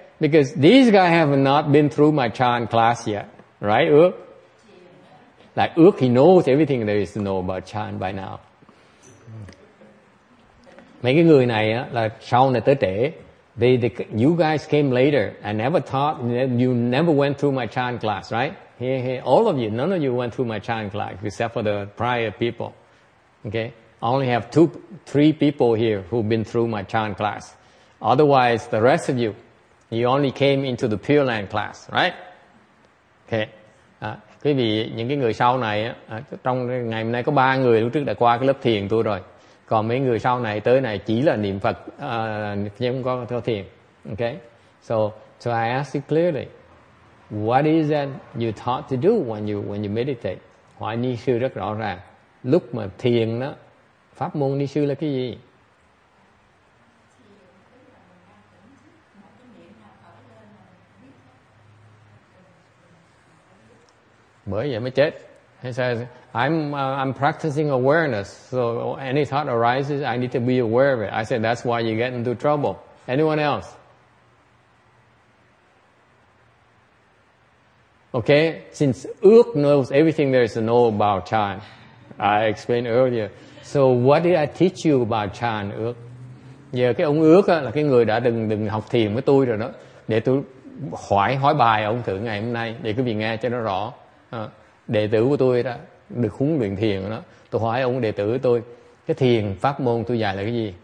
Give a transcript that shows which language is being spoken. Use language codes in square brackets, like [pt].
[en] Because these guys have not been through my Chan class yet, right, Ước? Like Ước, he knows everything there is to know about Chan by now. [vi] Mấy cái người này là sau này tới trễ. [en] You guys came later. I never taught, you never went through my Chan class, right? All of you, none of you went through my Chan class except for the prior people. Okay? I only have three people here who've been through my Chan class. Otherwise, the rest of you only came into the Pure Land class, right? Okay. [vi] Quý vị, những cái người sau này, trong ngày hôm nay có 3 người lúc trước đã qua cái lớp thiền tôi rồi. Còn mấy người sau này tới này chỉ là niệm Phật, nhưng không có theo thiền. [en] Okay? So I ask you clearly. What is that you taught to do when you meditate? [vi] Hỏi Ni Sư rất rõ ràng. Lúc mà thiền đó, pháp môn Ni Sư là cái gì? Bởi vậy mới chết. [en] He says, I'm practicing awareness, so any thought arises, I need to be aware of it. I said, that's why you get into trouble. Anyone else? Okay, since Ước knows everything there is to know about Chan, I explained earlier. So what did I teach you about Chan, Ước? [vi] Giờ cái ông Ước á, là cái người đã đừng học thiền với tôi rồi đó. Để tôi hỏi bài ông thử ngày hôm nay, để quý vị nghe cho nó rõ. Đệ tử của tôi đó, được huấn luyện thiền đó. Tôi hỏi ông đệ tử của tôi, cái thiền pháp môn tôi dạy là cái gì?